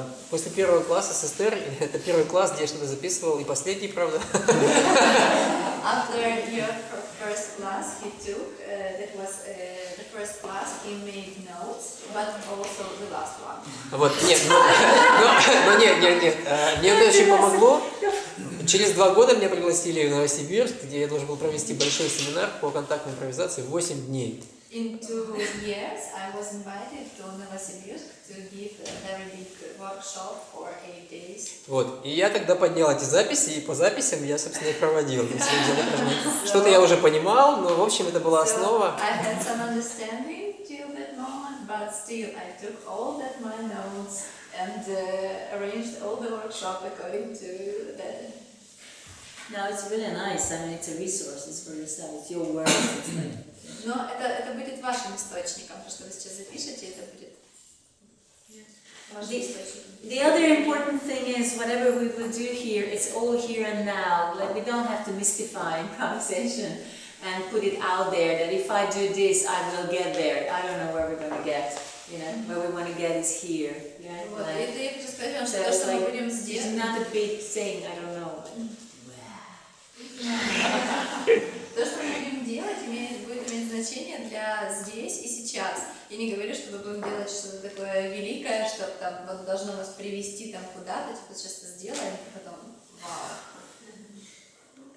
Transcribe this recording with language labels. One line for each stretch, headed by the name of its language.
Russian: После первого класса с Эстер, это первый класс, где я что-то записывал, и последний, правда.
English: After your first class he took, that was the first class, he made notes, but also the last one.
Russian: Вот, нет, нет. Мне это очень помогло. Через 2 года меня пригласили в Новосибирск, где я должен был провести большой семинар по контактной импровизации 8 дней.
English: In 2 years, I was invited to Novosibirsk to give a very big workshop for 8 days.
Russian: Вот, и я тогда поднял эти записи, и по записям я, собственно, их проводил. Что-то я уже понимал, но, в общем, это была основа.
English: I had some understanding till that moment, but still I took all that my notes and arranged all the workshop according to that. No, it's really nice. I mean, it's a resource for yourself. It's your work. It's like...
Russian: Но это будет вашим источником, потому что вы сейчас запишете, это будет вашим источником.
English: The other important thing is, whatever we will do here, it's all here and now. Like, we don't have to mystify improvisation and put it out there that if I do this, I will get there. I don't know where we're going to get. You know, where we want to get is here. Yeah? Like, it's like, not a big thing, I don't know.
Russian: То, что мы будем делать, будет иметь значение для здесь и сейчас. Я не говорю, что мы будем делать что-то такое великое, что там вот должно нас привести там куда-то, типа сейчас это сделаем, а потом вау.